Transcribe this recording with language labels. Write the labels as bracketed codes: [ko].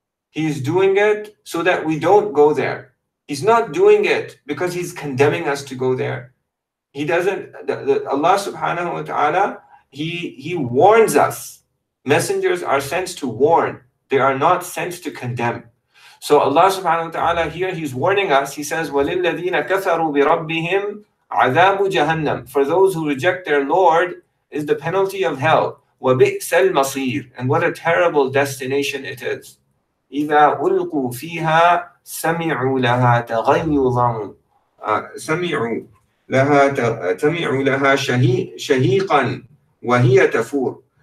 [en] He's doing it so that we don't go there. He's not doing it because he's condemning us to go there. He doesn't, Allah subhanahu wa ta'ala, he warns us. Messengers are sent to warn. They are not sent to condemn. So Allah subhanahu wa ta'ala here, he's warning us. He says, [ar] وَلِلَّذِينَ كَفَرُوا بِرَبِّهِمْ عَذَابُ جَهَنَّمُ. [en] For those who reject their Lord is the penalty of hell. [ar] وَبِئْسَ الْمَصِيرُ. [en] And what a terrible destination it is. [ar] إِذَا أُلْقُوا فِيهَا سَمِعُوا لَهَا تَغَيُّظًا سَمِعُوا لَهَا شَهِيقًا وَهِيَ تَفُورُ.